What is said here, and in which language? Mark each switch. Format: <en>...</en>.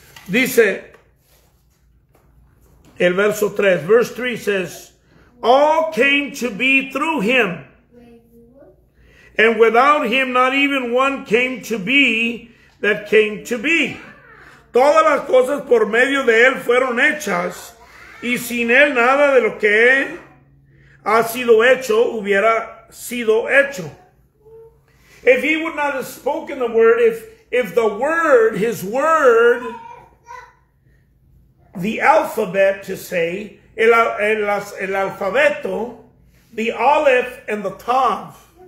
<es>Dice, el verso 3,</es> <en>verse 3 says, all came to be through him. And without him, not even one came to be that came to be.</en> <es>Todas las cosas por medio de él fueron hechas, y sin él nada de lo que ha sido hecho hubiera sido hecho.</es> <en>If he would not have spoken the word, if the word, his word, the alphabet to say,</en> <es>el alfabeto,</es> <en>the aleph and the tav.</en>